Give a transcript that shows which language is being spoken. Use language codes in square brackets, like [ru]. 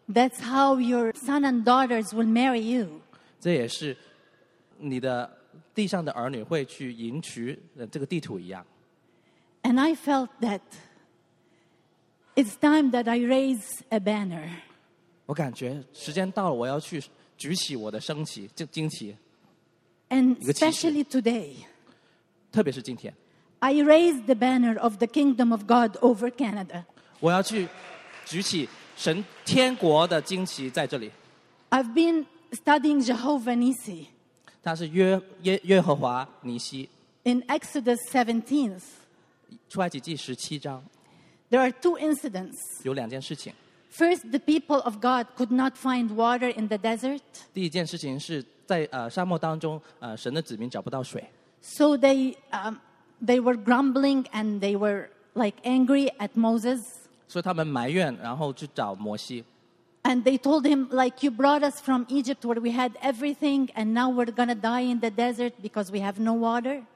[en] That's how your son and daughters will marry you. [zh] 这也是你的地上的儿女会去迎娶这个地土一样。 [en] And I felt that it's time that I raise a banner. [zh] 我感觉时间到了，我要去举起我的升旗，这旗。 [en] And especially today. [zh] 特别是今天。 [en] I raise the banner of the kingdom of God over Canada. [zh] 我要去举起神天国的旌旗在这里。 [en] I've been studying Jehovah Nissi. [zh] 他是耶和华尼西。 [en] In Exodus 17. [zh] 出埃及记17章。 [en] There are two incidents. [zh] 有两件事情。 [en] First, the people of God could not find water in the desert. [zh] 第一件事情是在 沙漠当中, 神的子民找不到水。 [en] So they were grumbling and they were, like, angry at Moses. [zh] 所以他们埋怨，然后去找摩西。 [en] And they told him, like, you brought us from Egypt where we had everything, and now we're going to die in the desert because we have no water.